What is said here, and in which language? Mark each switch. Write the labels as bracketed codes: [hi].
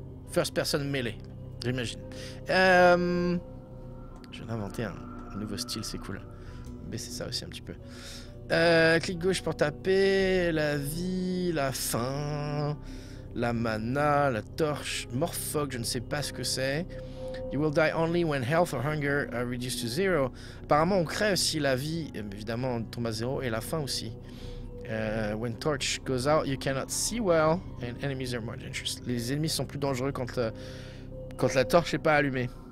[fr] First Person Melee, j'imagine. Je viens d'inventer un nouveau style, c'est cool. Baisser ça aussi un petit peu. Clic gauche pour taper. La vie, la fin. La mana, la torche, Morphog, je ne sais pas ce que c'est. [en] You will die only when health or hunger are reduced to zero. [fr] Apparemment, on crée aussi la vie, évidemment, on tombe à zéro, et la faim aussi. [en] When torch goes out, you cannot see well, and enemies are more dangerous. [fr] Les ennemis sont plus dangereux quand la torche n'est pas allumée.